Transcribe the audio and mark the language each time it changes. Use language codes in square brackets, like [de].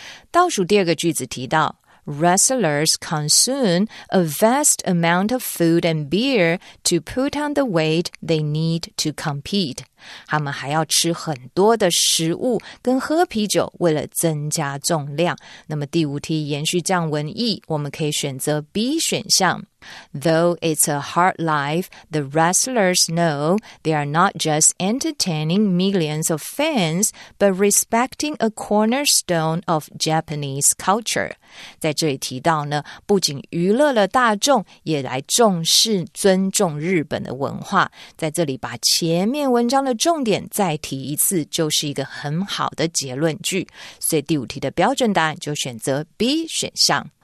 [zh] 倒数第二个句子提到 [en] Wrestlers consume a vast amount of food and beer to put on the weight they need to compete. [zh] 他们还要吃很多的食物跟喝啤酒，为了增加重量。那么第五题延续这样文意，我们可以选择 B 选项。 [en] Though it's a hard life, the wrestlers know they are not just entertaining millions of fans, but respecting a cornerstone of Japanese culture. [zh] 在这里提到呢，不仅娱乐了大众，也来重视尊重日本的文化。在这里把前面文章的重点再提一次，就是一个很好的结论句。所以第五题的标准答案就选择 B 选项。